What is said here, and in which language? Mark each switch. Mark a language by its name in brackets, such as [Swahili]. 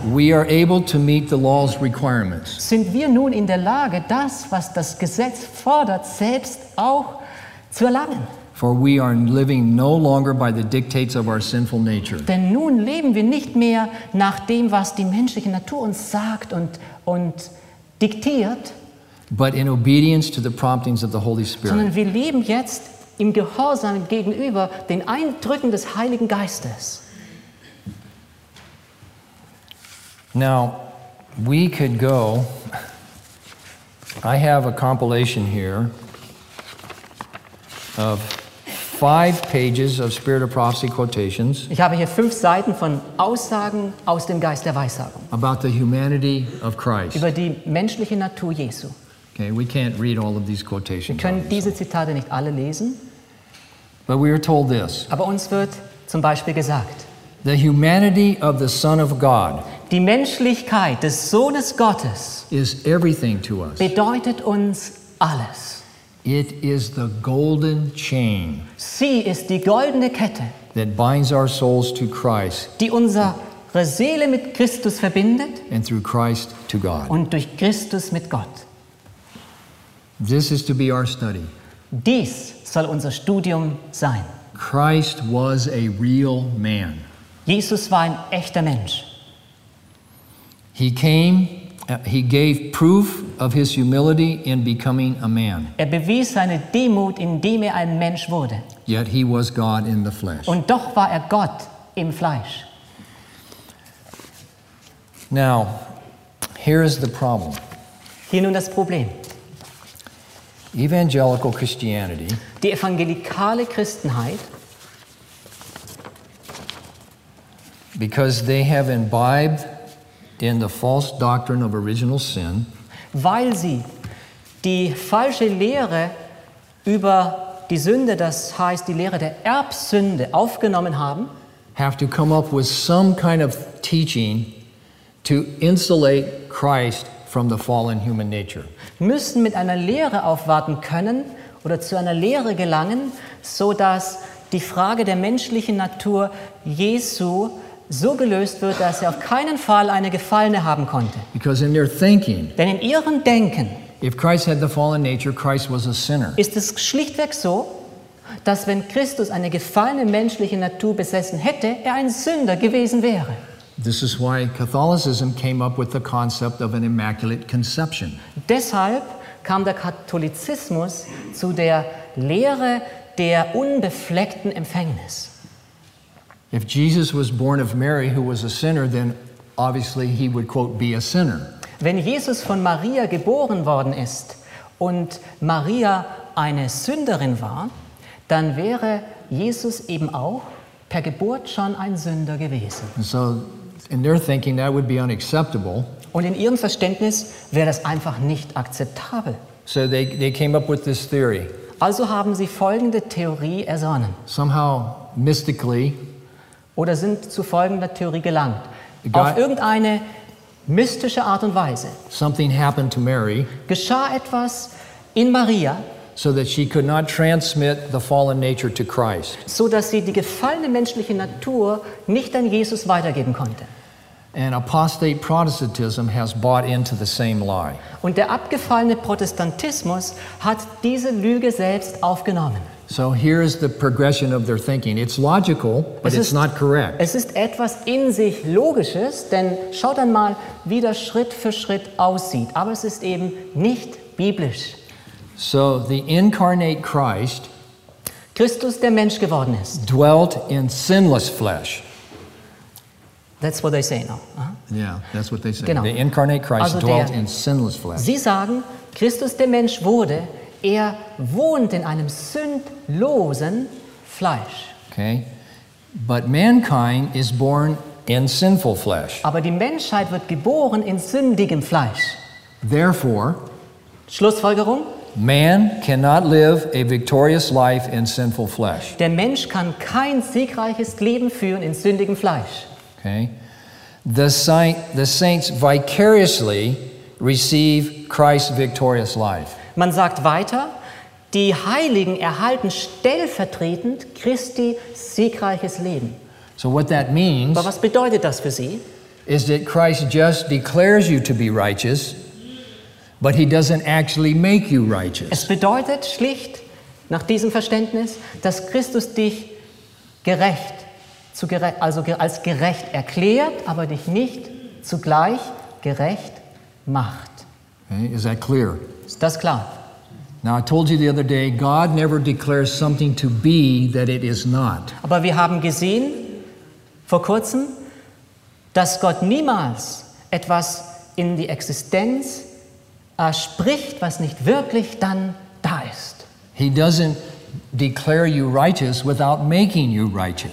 [English] we are able to meet the law's requirements. [German] Sind wir nun in der Lage, das, was das Gesetz fordert, selbst auch zu erlangen. [English] For we are living no longer by the dictates of our sinful nature. [German] Denn nun leben wir nicht mehr nach dem, was die menschliche Natur uns sagt und diktiert. [English] But in obedience to the promptings of the Holy Spirit. [German] Sondern wir leben jetzt im Gehorsam gegenüber den Eindrücken des Heiligen Geistes. [English] Now, we could go. I have a compilation here of 5 pages of Spirit of Prophecy quotations. [German] Ich habe hier 5 Seiten von Aussagen aus dem Geist der Weissagung. [English] About the humanity of Christ. [German] Über die menschliche Natur Jesu. [English] Okay, we can't read all of these quotations. [German] Wir können diese Zitate nicht alle lesen. [English] But we are told this. [German] Aber uns wird zum Beispiel gesagt. [English] The humanity of the Son of God. [German] Die Menschlichkeit des Sohnes Gottes. [English] Is everything to us. [German] Bedeutet uns alles. [English] It is the golden chain. [German] Sie ist die goldene Kette. [English] That binds our souls to Christ. [German] Die unsere Seele mit Christus verbindet. [English] And through Christ to God. [German] Und durch Christus mit Gott. [English] This is to be our study. [German] Dies soll unser Studium sein. [English] Christ was a real man. [German] Jesus war ein echter Mensch. [English] He came. He gave proof of his humility in becoming a man. [German] Er bewies seine Demut, indem er ein Mensch wurde. [English] Yet he was God in the flesh. [German] Und doch war er Gott im Fleisch. [English] Now, here is the problem. [German] Hier nun das Problem. [English] Evangelical Christianity. [German] Die evangelikale Christenheit. [English] Because they have imbibed in the false doctrine of original sin, [German] weil sie die falsche Lehre über die Sünde, das heißt die Lehre der Erbsünde, aufgenommen haben, [English] have to come up with some kind of teaching to insulate Christ from the fallen human nature. [German] Müssen mit einer Lehre aufwarten können oder zu einer Lehre gelangen, so dass die Frage der menschlichen Natur Jesu so gelöst wird, dass er auf keinen Fall eine Gefallene haben konnte. [English] Because in their thinking, [German] denn in ihrem Denken, [English] if Christ had the fallen nature, Christ was a sinner. [German] Ist es schlichtweg so, dass wenn Christus eine gefallene menschliche Natur besessen hätte, er ein Sünder gewesen wäre. [English] This is why Catholicism came up with the concept of an immaculate conception. [German] Deshalb kam der Katholizismus zu der Lehre der unbefleckten Empfängnis. [English] If Jesus was born of Mary, who was a sinner, then obviously he would, quote, be a sinner. [German] Wenn Jesus von Maria geboren worden ist und Maria eine Sünderin war, dann wäre Jesus eben auch per Geburt schon ein Sünder gewesen. [English] So in their thinking, that would be unacceptable. [German] Und in ihrem Verständnis wäre das einfach nicht akzeptabel. [English] So they came up with this theory. [German] Also haben sie folgende Theorie ersonnen. [English] Somehow mystically, [German] oder sind zu folgender Theorie gelangt. Auf irgendeine mystische Art und Weise. [English] Something happened to Mary. [German] Geschah etwas in Maria. [English] So that she could not transmit the fallen nature to Christ. [German] So dass sie die gefallene menschliche Natur nicht an Jesus weitergeben konnte. [English] And apostate Protestantism has bought into the same lie. [German] Und der abgefallene Protestantismus hat diese Lüge selbst aufgenommen. [English] So here is the progression of their thinking. It's logical, but it's not correct. [German] Es ist etwas in sich Logisches, denn schaut einmal, wie das Schritt für Schritt aussieht. Aber es ist eben nicht biblisch. [English] So the incarnate Christ, [German] Christus, der Mensch geworden ist, [English] dwelt in sinless flesh. That's what they say now. Uh-huh. Yeah, that's what they say. [German] Genau. [English] The incarnate Christ also dwelt [German] der, [English] in sinless flesh. [German] Sie sagen, Christus, der Mensch wurde, er wohnt in einem sündlosen Fleisch. [English] Okay. But mankind is born in sinful flesh. [German] Aber die Menschheit wird geboren in sündigem Fleisch. [English] Therefore, [German] Schlussfolgerung, [English] man cannot live a victorious life in sinful flesh. [German] Der Mensch kann kein siegreiches Leben führen in sündigem Fleisch. [English] Okay. The saints vicariously receive Christ's victorious life. [German] Man sagt weiter, die Heiligen erhalten stellvertretend Christi siegreiches Leben. [English] So what that means, [German] aber was bedeutet das für Sie? [English] Is that Christ just declares you to be righteous, but he doesn't actually make you righteous. [German] Es bedeutet schlicht, nach diesem Verständnis, dass Christus dich gerecht, also als gerecht erklärt, aber dich nicht zugleich gerecht macht. [English] Okay, is that clear? [German] Ist das klar? [English] Now I told you the other day, God never declares something to be that it is not. [German] Aber wir haben gesehen vor kurzem, dass Gott niemals etwas in die Existenz spricht, was nicht wirklich dann da ist. [English] He doesn't declare you righteous without making you righteous.